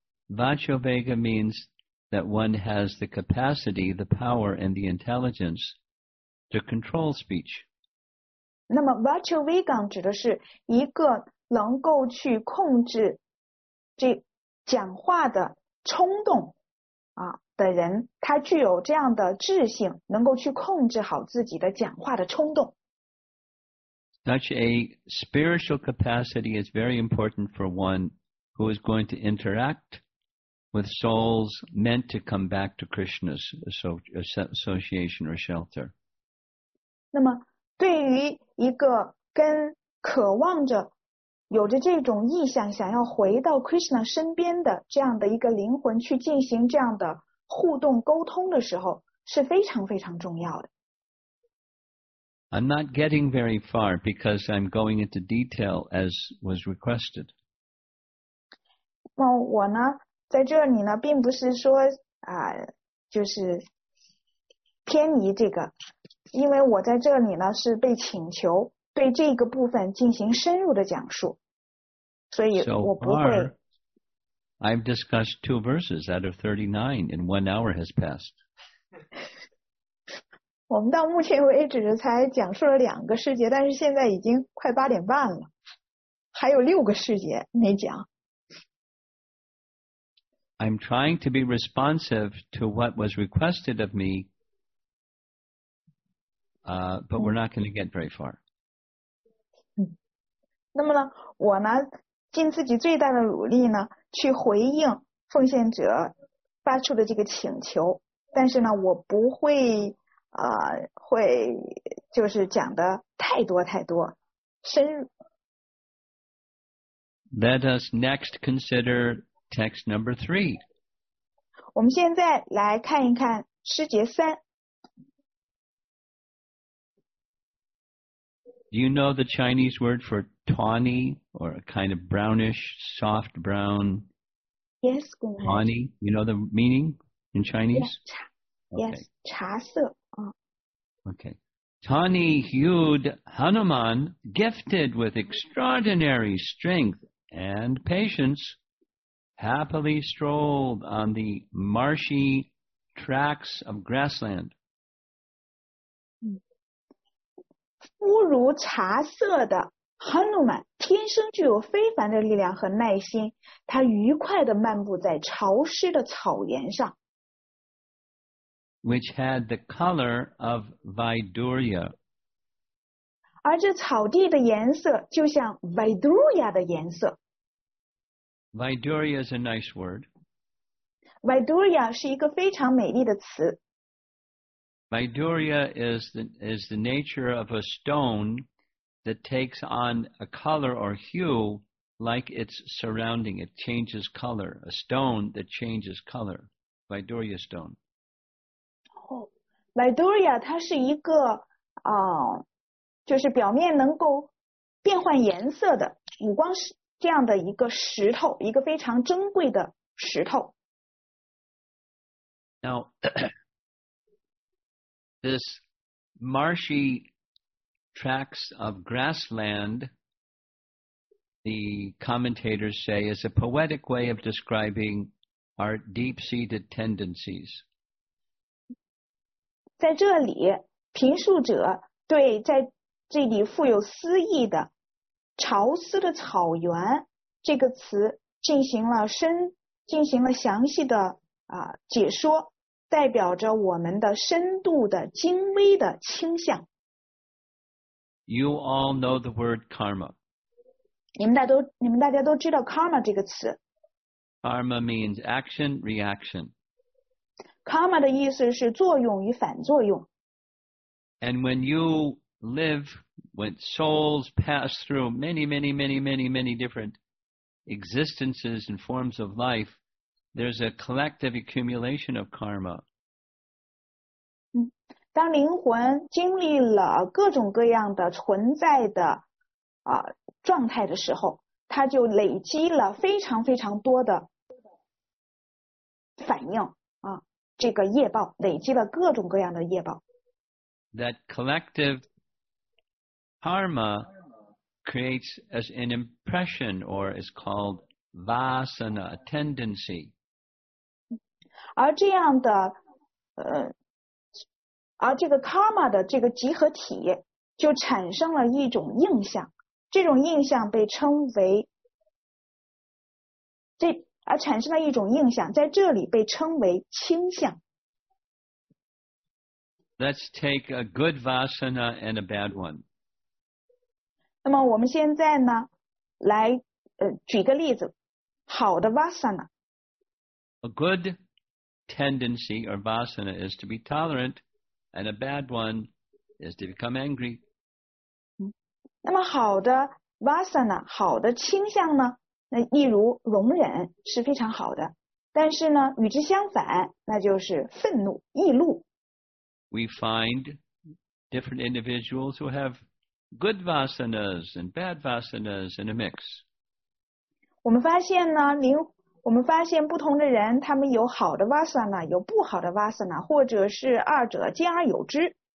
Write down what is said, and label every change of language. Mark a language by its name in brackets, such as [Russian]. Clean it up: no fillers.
[English] Vacho Vega means that one has the capacity, the power, and the intelligence to control speech. [Chinese] 那么 Vacho Vega 指的是一个能够去控制这讲话的冲动啊的人，他具有这样的智性，能够去控制好自己的讲话的冲动。 [English] Such a spiritual capacity is very important for one who is going to interact with souls meant to come back to Krishna's association or shelter. [Chinese] 那么对于一个跟渴望着有着这种意向想要回到 Krishna 身边的这样的一个灵魂去进行这样的互动沟通的时候是非常非常重要的。 [English] I'm not getting very far because I'm going into detail as was requested. [Chinese] 那我呢，在这里呢，并不是说啊，就是偏离这个，因为我在这里呢是被请求对这个部分进行深入的讲述，所以我不会。 [English] I've discussed two verses out of 39 and 1 hour has passed. [Chinese] 我们到目前为止才讲述了两个世界，但是现在已经快八点半了，还有六个世界没讲。 [English] I'm trying to be responsive to what was requested of me, but we're not going to get very far. [Chinese] 那么呢，我呢，尽自己最大的努力呢，去回应奉献者发出的这个请求，但是呢，我不会会就是讲的太多太多深入。 [English] Let us next consider text number 3. [Chinese] 我们现在来看一看诗节三。 [English] Do you know the Chinese word for tawny or a kind of brownish, soft brown? Yes, tawny. You know the meaning in Chinese? Yes, [Chinese] 茶色。 [English] Okay. Tawny hued Hanuman, gifted with extraordinary strength and patience, happily strolled on the marshy tracts of grassland. [Chinese] 肤如茶色的 Hanuman 天生具有非凡的力量和耐心，他愉快地漫步在潮湿的草原上。 [English] Which had the color of Vaidurya. [Chinese] 而这草地的颜色就像 Vaidurya 的颜色。 [English] Vaidurya is a nice word. [Chinese] Vaidurya 是一个非常美丽的词。 [English] Vaidurya is the nature of a stone that takes on a color or hue like its surrounding. It changes color. A stone that changes color. Vaidurya stone. [Chinese] Vaidurya 它是一个就是表面能够变换颜色的五光这样的一个石头，一个非常珍贵的石头。 [English] Now, this marshy tracts of grassland, the commentators say, is a poetic way of describing our deep-seated tendencies. [Chinese] 在这里，评述者对在这里富有诗意的潮湿的草原这个词进行了详细的解说，代表着我们的深度的精微的倾向。 [English] You all know the word karma. [Chinese] 你们大家都知道 karma 这个词。 [English] Karma means action, reaction. [Chinese] Karma 的意思是作用与反作用。 [English] And when you live, when souls pass through many, many, many, many, many different existences and forms of life, there's a collective accumulation of karma. [Chinese] 当灵魂经历了各种各样的存在的状态的时候，它就累积了非常非常多的反应啊，这个业报，累积了各种各样的业报。 [English] That collective karma creates as an impression or is called vasana, a tendency. [Chinese] 而这样的而这个 karma 的这个集合体就产生了一种印象，这种印象被称为在这里被称为倾向。 [English] Let's take a good vasana and a bad one. [Chinese] 那么我们现在呢来举个例子，好的 vasana。 [English] A good tendency or vasana is to be tolerant and a bad one is to become angry. [Chinese] 那么好的 vasana, 好的倾向呢，那例如容忍是非常好的，但是呢与之相反，那就是愤怒易怒。 [English] We find different individuals who have good vasanas and bad vasanas in a mix. [Chinese] 我们发现呢我们发现不同的人，他们有好的 Vasana， 有不好的 Vasana， 或者是二者兼而有之。